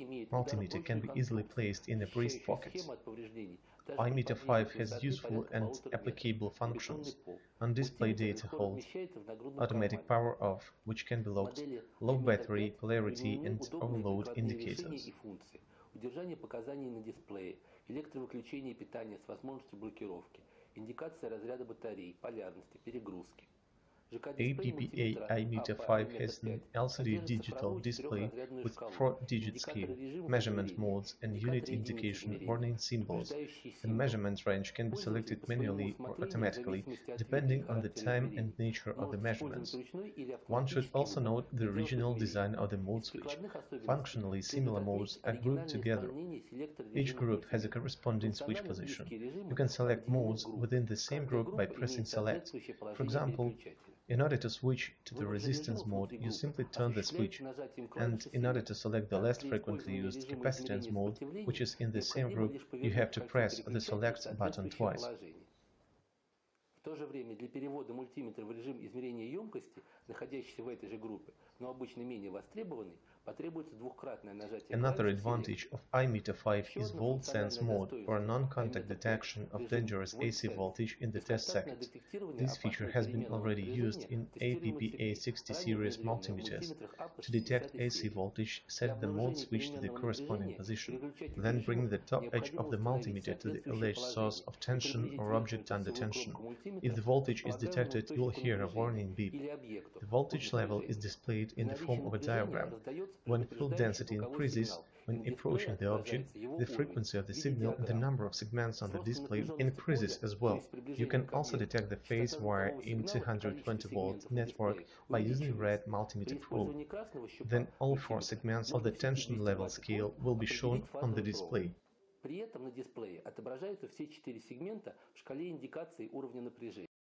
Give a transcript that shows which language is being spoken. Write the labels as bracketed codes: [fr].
[en] Multimeter can be easily placed in a breast pocket. iMeter 5 has useful and applicable functions: on display data hold, automatic power off, which can be locked, low battery, polarity and overload indicators. [ru] Удержание показаний на дисплее, электровыключение питания с возможностью блокировки, индикация разряда батарей, полярности, перегрузки. [en] APPA iMeter 5 has an LCD digital display with 4-digit scale, measurement modes and unit indication warning symbols. The measurement range can be selected manually or automatically, depending on the time and nature of the measurements. One should also note the original design of the mode switch. Functionally similar modes are grouped together. Each group has a corresponding switch position. You can select modes within the same group by pressing select. For example, in order to switch to the resistance mode, you simply turn the switch, and in order to select the less frequently used capacitance mode, which is in the same group, you have to press the select button twice. [ru] В то же время для перевода мультиметра в режим измерения емкости, находящийся в этой же группе, но обычно менее востребованный, потребуется двукратное нажатие. [en] Another advantage of iMeter 5 is volt sense mode for non-contact detection of dangerous AC voltage in the test circuit. This feature has been already used in APPA 60 series multimeters. To detect AC voltage, set the mode switch to the corresponding position, then bring the top edge of the multimeter to the alleged source of tension or object under tension. If the voltage is detected, you'll hear a warning beep. The voltage level is displayed in the form of a diagram. When field density increases when approaching the object, the frequency of the signal and the number of segments on the display increases as well. You can also detect the phase wire in 220-volt network by using red multimeter probe. Then all four segments of the tension level scale will be shown on the display. [ru] При этом на дисплее отображаются все четыре сегмента в шкале индикации уровня напряжения.